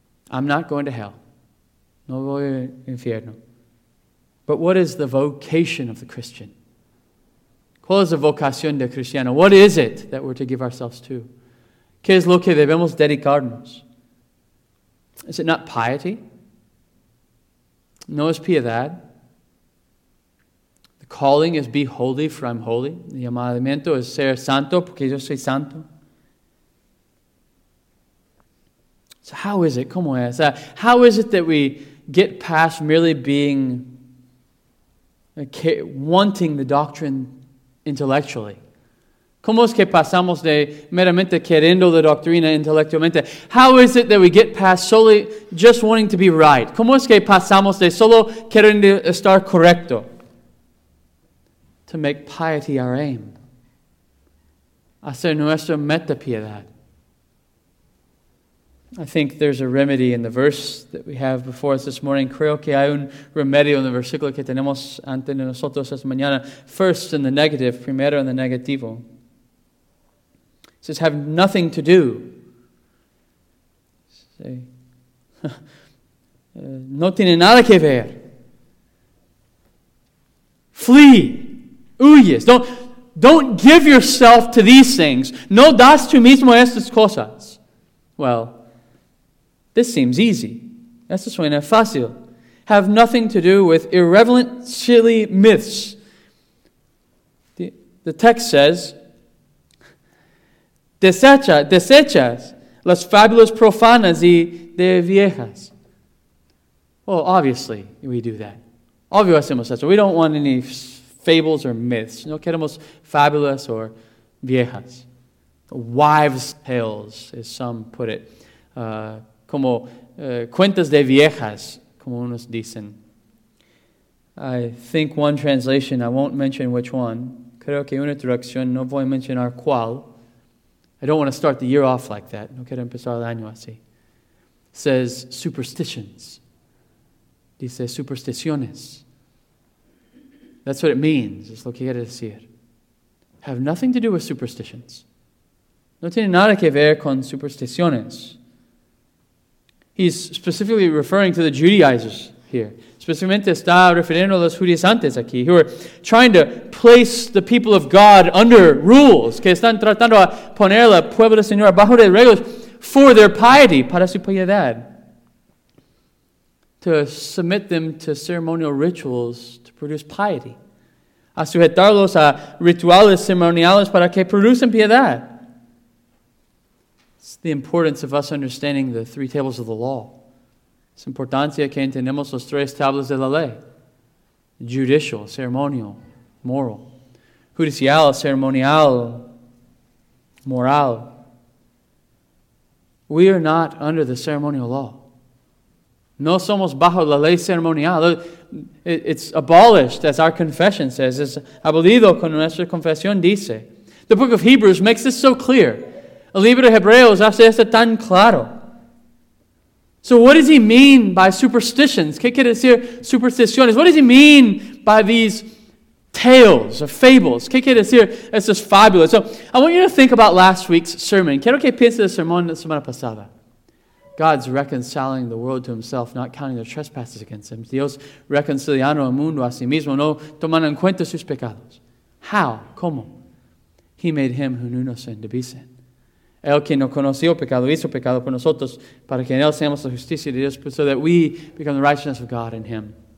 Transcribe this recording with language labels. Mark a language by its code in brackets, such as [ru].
[en] I'm not going to hell. [es] No voy al infierno. [en] But what is the vocation of the Christian? [es] ¿Cuál es la vocación de cristiano? [en] What is it that we're to give ourselves to? [es] ¿Qué es lo que debemos dedicarnos? [en] Is it not piety? [es] No es piedad. [en] The calling is be holy for I'm holy. [es] El llamamiento es ser santo porque yo soy santo. [en] So how is it? [es] ¿Cómo es? [en] How is it that we get past merely being wanting the doctrine intellectually? [es] ¿Cómo es que pasamos de meramente queriendo la doctrina intelectualmente? [en] How is it that we get past solely just wanting to be right? [es] ¿Cómo es que pasamos de solo queriendo estar correcto [en] to make piety our aim? [es] Hacer nuestra meta piedad. [en] I think there's a remedy in the verse that we have before us this morning. [es] Creo que hay un remedio en el versículo que tenemos ante nosotros esta mañana. [en] First in the negative, primero in the negativo. It says, have nothing to do. [es] Say, no tiene nada que ver. [en] Flee. Huyes. Don't give yourself to these things. [es] No das tú mismo estas cosas. [en] Well, this seems easy. [es] Esto suena fácil. [en] Have nothing to do with irreverent, silly myths. The text says, [es] desechas las fábulas profanas y de viejas. [en] Well, obviously, we do that. Obviously, we don't want any fables or myths. [es] No queremos fábulas [en] or [es] viejas, [en] wives' tales, as some put it, [es] como cuentas de viejas, como unos dicen. [en] I think one translation, I won't mention which one, [es] creo que una traducción, no voy a mencionar cuál, [en] I don't want to start the year off like that, [es] no quiero empezar el año así, [en] says superstitions. [es] Dice supersticiones. [en] That's what it means, [es] es lo que quiere decir. [en] Have nothing to do with superstitions. [es] No tiene nada que ver con supersticiones. [en] He's specifically referring to the Judaizers here. [es] Especialmente está refiriendo a los judaizantes aquí, [en] who are trying to place the people of God under rules, [es] que están tratando a poner el pueblo del Señor bajo de reglas [en] for their piety, [es] para su piedad. [en] To submit them to ceremonial rituals to produce piety. [es] A sujetarlos a rituales ceremoniales para que producen piedad. [en] It's the importance of us understanding the three tables of the law. [es] Es importancia que entendemos los tres tablas de la ley. [en] Judicial, ceremonial, moral. Judicial, ceremonial, moral. We are not under the ceremonial law. [es] No somos bajo la ley ceremonial. [en] It's abolished, as our confession says. [es] Es abolido con nuestra confesión, dice. [en] The book of Hebrews makes this so clear. [es] El libro de Hebreos hace esto tan claro. [en] So what does he mean by superstitions? [es] ¿Qué quiere decir supersticiones? [en] What does he mean by these tales or fables? [es] ¿Qué quiere decir? [en] It's just fabulous. So I want you to think about last week's sermon. [es] Quiero que piense el sermón de la semana pasada. [en] God's reconciling the world to himself, not counting their trespasses against him. [es] Dios reconciliando el mundo a sí mismo, no tomando en cuenta sus pecados. [en] How? ¿Cómo? He made him who knew no sin to be sin. [es] El que no conoció pecado hizo pecado por nosotros para que en él seamos la justicia de Dios, [en] so that we become the righteousness of God in him.